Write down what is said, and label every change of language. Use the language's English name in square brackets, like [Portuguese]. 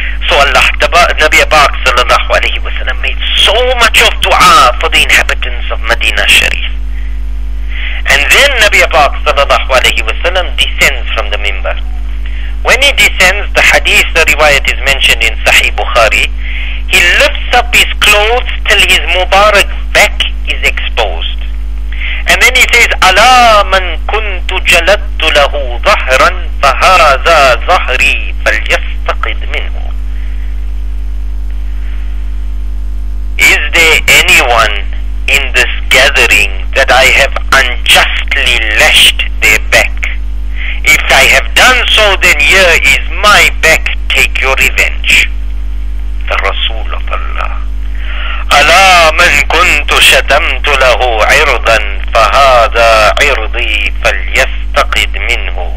[English] So Allah, Nabi Pak sallallahu alayhi wa sallam made so much of dua for the inhabitants of Madinah Sharif. And then Nabi Pak sallallahu alayhi wa sallam descends from the minbar. When he descends, the hadith, the riwayat is mentioned in Sahih Bukhari, he lifts up his clothes till his Mubarak back is exposed. And then he says, [Arabic] أَلَا مَنْ كُنْتُ جَلَدْتُ لَهُ ظَهْرًا فَهَرَزَا ظَهْرِي فَلْيَسْتَقِدْ مِنْهُ. [English] Is there anyone in this gathering that I have unjustly lashed their back? If I have done so, then here is my back, take your revenge. The Rasul of Allah. [Arabic] أَلَا مَنْ كُنْتُ شَتَمْتُ لَهُ عِرْضًا فَهَذَا عِرْضِي فَلْيَسْتَقِدْ مِنْهُ.